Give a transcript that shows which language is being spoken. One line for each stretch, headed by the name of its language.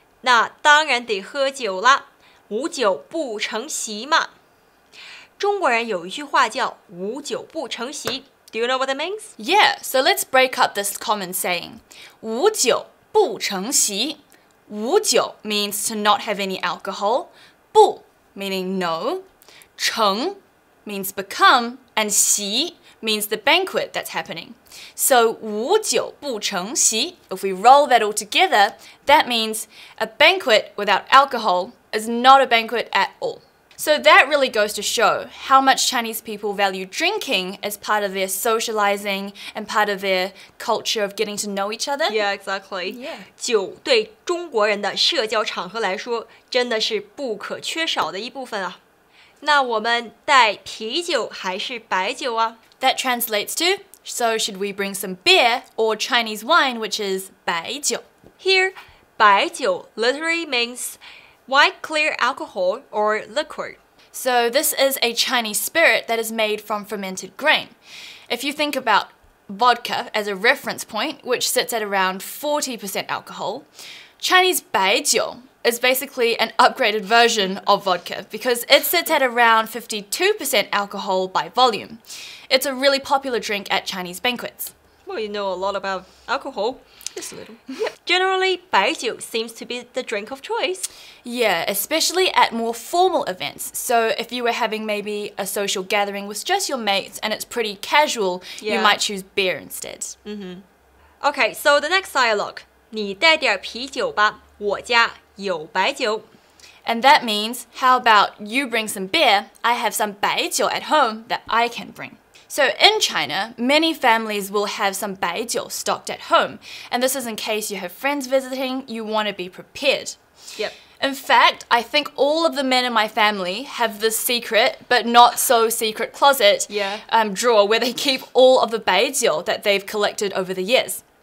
Chinese: 那当然得喝酒了，无酒不成席嘛。中国人有一句话叫无酒不成席。
English: Do you know what that means? Yeah, so let's break up this common saying. 无酒不成席。无酒 means to not have any alcohol. 不 meaning no. 成 means become. And 席 means the banquet that's happening. So 无酒不成席, if we roll that all together, that means a banquet without alcohol is not a banquet at all. So that really goes to show how much Chinese people value drinking as part of their socializing and part of their culture of getting to know each other. Yeah, exactly. Yeah.
Chinese: 酒对中国人的社交场合来说真的是不可缺少的一部分啊。那我们带啤酒还是白酒啊?
English: That translates to, so should we bring some beer or Chinese wine, which is 白酒? Here, 白酒 literally means white clear alcohol or liquor. So this is a Chinese spirit that is made from fermented grain. If you think about vodka as a reference point, which sits at around 40% alcohol, Chinese 白酒is basically an upgraded version of vodka because it sits at around 52% alcohol by volume. It's a really popular drink at Chinese banquets. Well, you know a lot about alcohol. Just a little. Yep. Generally, 白酒 seems to be the drink of choice. Yeah, especially at more formal events. So if you were having maybe a social gathering with just your mates and it's pretty casual, yeah. you might choose beer instead. Mm-hmm. Okay, so the next dialogue.
Chinese: 你带点啤酒吧,我家有白酒。
English: And that means, how about you bring some beer? I have some 白酒 at home that I can bring. So in China, many families will have some 白酒 stocked at home. And this is in case you have friends visiting, you want to be prepared. Yep. In fact, I think all of the men in my family have this secret, but not so secret closet, drawer where they keep all of the 白酒 that they've collected over the years.